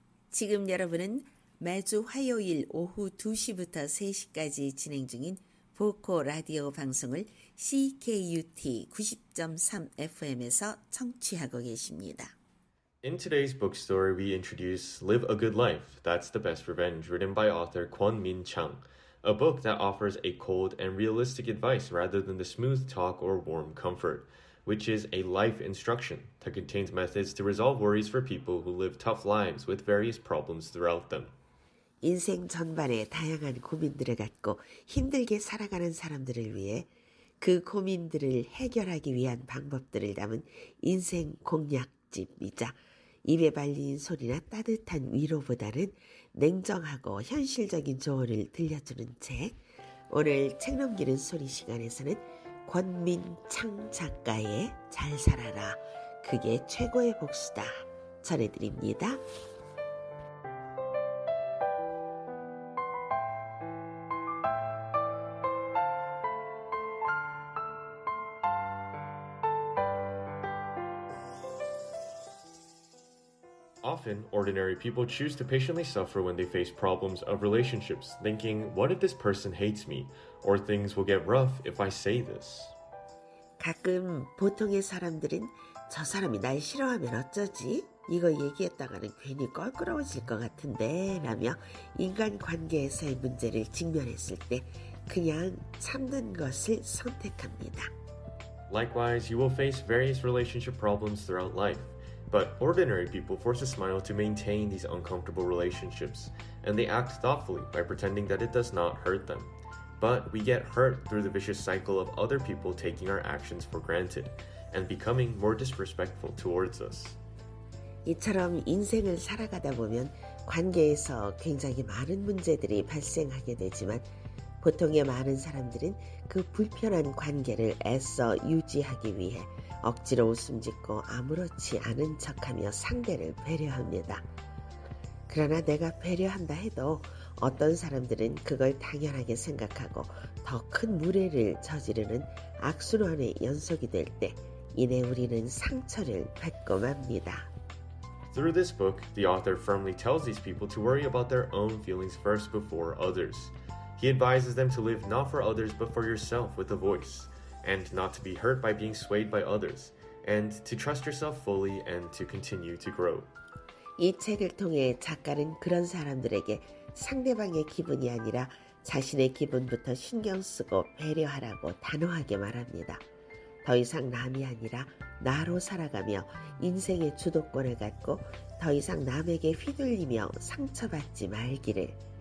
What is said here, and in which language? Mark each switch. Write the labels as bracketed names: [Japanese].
[Korean] 지금 여러분은 매주 화요일 오후 2시부터 3시까지 진행 중인 보코 라디오 방송을 CKUT 90.3 FM에서 청취하고 계십니다. [English] In today's book story, we introduce Live a Good Life, That's the Best Revenge, written by author Kwon Min-chang, a book that offers a cold and realistic advice rather than the smooth talk or warm comfort, which is a life instruction that contains methods to resolve worries for people who live tough lives with various problems throughout them. [Korean] 인생 전반에 다양한 고민들을 갖고 힘들게 살아가는 사람들을 위해 그 고민들을 해결하기 위한 방법들을 담은 인생 공약집이자 입에 발린 소리나 따뜻한 위로보다는 냉정하고 현실적인 조언을 들려주는 책. 오늘 책 넘기는 소리 시간에서는 권민창 작가의 잘 살아라. 그게 최고의 복수다. 전해드립니다. [English] Often, ordinary people choose to patiently suffer when they face problems of relationships, thinking, what if this person hates me? Or things will get rough if I say this. [Korean] 가끔 보통의 사람들은 저 사람이 날 싫어하면 어쩌지? 이거 얘기했다가는 괜히 껄끄러워질 것 같은데 라며 인간관계에서의 문제를 직면했을 때 그냥 참는 것을 선택합니다. [English] Likewise, you will face various relationship problems throughout life. But ordinary people force a smile to maintain these uncomfortable relationships, and they act thoughtfully by pretending that it does not hurt them. But we get hurt through the vicious cycle of other people taking our actions for granted and becoming more disrespectful towards us. [Korean] 이처럼 인생을 살아가다 보면 관계에서 굉장히 많은 문제들이 발생하게 되지만 보통의 많은 사람들은 그 불편한 관계를 애써 유지하기 위해 억지로 웃음 짓고 아무렇지 않은 척하며 상대를 배려합니다. 그러나 내가 배려한다 해도 어떤 사람들은 그걸 당연하게 생각하고 더 큰 무례를 저지르는 악순환의 연속이 될 때 이내 우리는 상처를 받고 맙니다. [English] Through this book, the author firmly tells these people to worry about their own feelings first before others. He advises them to live not for others but for yourself with a voice. And not to be hurt by being swayed by others, and to trust yourself fully and to continue to grow. [Korean] 이 책을 통해 작가는 그런 사람들에게 상대방의 기분이 아니라 자신의 기분부터 신경 쓰고 배려하라고 단호하게 말합니다. 더 이상 남이 아니라 나로 살아가며 인생의 주도권을 갖고 더 이상 남에게 휘둘리며 상처받지 말기를.